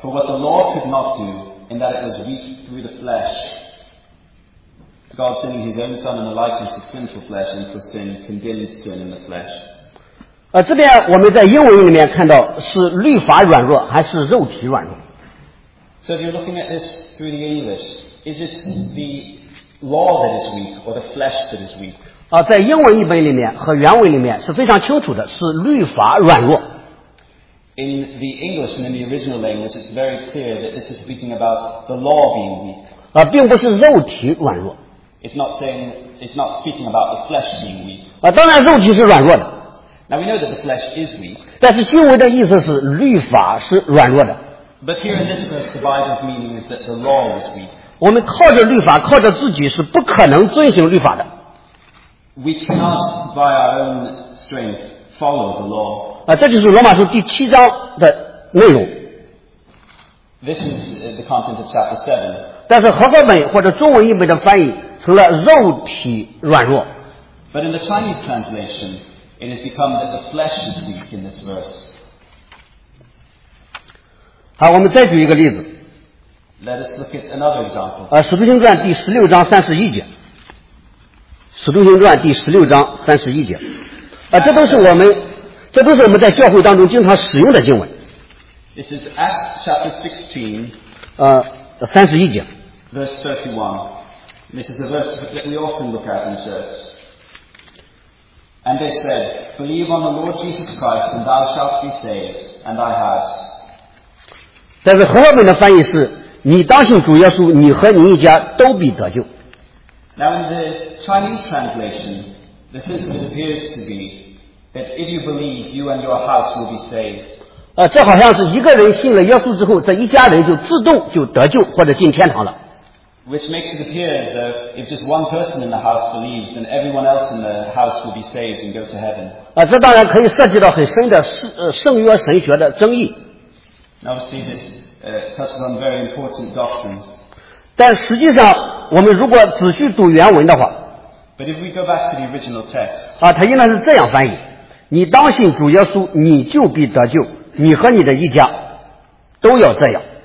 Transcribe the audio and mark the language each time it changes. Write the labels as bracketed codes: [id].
[en] For what the law could not do, in that it was weak through the flesh, God sending his own son in the likeness of sinful flesh and for sin, condemned sin in the flesh. [zh] 这边我们在英文里面看到是律法软弱还是肉体软弱。 [en] So if you're looking at this through the English, is it the law that is weak or the flesh that is weak? [zh] 在英文译本里面和原文里面是非常清楚的，是律法软弱。 [en] In the English and in the original language, it's very clear that this is speaking about the law being weak. [zh] 并不是肉体软弱。 [en] It's not speaking about the flesh being weak. [zh] 当然肉体是软弱的。 [en] Now we know that the flesh is weak. [zh] 但是经文的意思是律法是软弱的。 [en] But here in this verse, the Bible's meaning is that the law is weak. [zh] 我们靠着律法，靠着自己是不可能遵行律法的。 [en] We cannot, by our own strength, follow the law. [zh] 这就是罗马书第七章的内容。 [en] This is the content of chapter 7. [zh] 但是和合本或者中文译本的翻译成了肉体软弱。 [en] But in the Chinese translation, it has become that the flesh is weak in this verse. [zh] 好，我们再举一个例子。 [en] Let us look at another example. [zh] 使徒行传第十六章三十一节。使徒行传第十六章三十一节，这都是我们在教会当中经常使用的经文。 [en] This is Acts chapter 16, [zh] 三十一节。 [en] Verse 31. This is a verse that we often look at in church. And they said, "Believe on the Lord Jesus Christ, and thou shalt be saved, and thy house." [zh] 但是和合本的翻译是：“你当信主耶稣，你和你一家都必得救。” [en] Now in the Chinese translation, the system appears to be that if you believe, you and your house will be saved. [zh] 这好像是一个人信了耶稣之后，这一家人就自动就得救或者进天堂了。 [en] Which makes it appear as though if just one person in the house believes, then everyone else in the house will be saved and go to heaven. [zh] 这当然可以涉及到很深的圣约神学的争议。 [en] Now we see this touches on very important doctrines. [zh] 但实际上我们如果仔细读原文的话 [en] But if we go back to the original text, [zh] 它应该是这样翻译，你当信主耶稣你就必得救，你和你的一家都要这样。